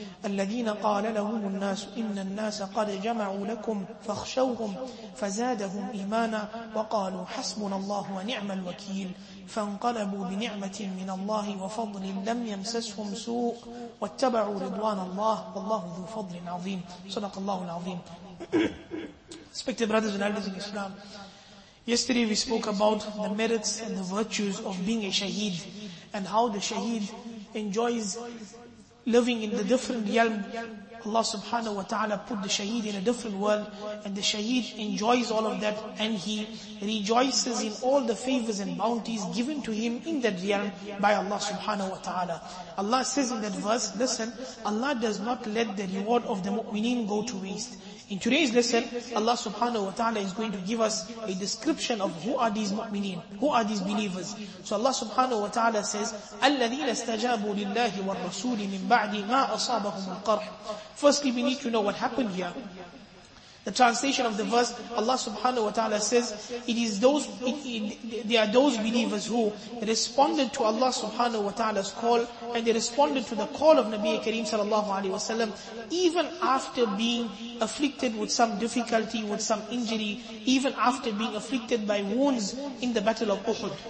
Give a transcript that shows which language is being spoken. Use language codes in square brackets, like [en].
[ar] الذين قال لهم الناس إن الناس قد جمعوا لكم فاخشوهم فزادهم إيمانا وقالوا حسبنا الله ونعم الوكيل. فانقلبوا بنعمة من الله وفضل لم يمسسهم سوء واتبعوا رضوان الله والله ذو فضل عظيم. صدق الله العظيم. [en] Respected brothers and elders in Islam, yesterday we spoke about the merits and the virtues of being a shaheed and how the shaheed enjoys living in the different realm. Allah subhanahu wa ta'ala put the shaheed in a different world, and the shaheed enjoys all of that, and he rejoices in all the favors and bounties given to him in that realm by Allah subhanahu wa ta'ala. Allah says in that verse, listen, Allah does not let the reward of the mu'mineen go to waste. In today's lesson, Allah subhanahu wa ta'ala is going to give us a description of who are these mu'mineen, who are these believers. So Allah subhanahu wa ta'ala says, [ar] الَّذِينَ اسْتَجَابُوا لِلَّهِ وَالرَّسُولِ مِنْ بَعْدِ مَا أَصَابَهُمُ الْقَرْحِ. [en] Firstly, we need to know what happened here. The translation of the verse, Allah subhanahu wa ta'ala says, they are those believers who responded to Allah subhanahu wa ta'ala's call, and they responded to the call of Nabi Kareem sallallahu alayhi wa sallam, even after being afflicted with some difficulty, with some injury, even after being afflicted by wounds in the battle of Uhud.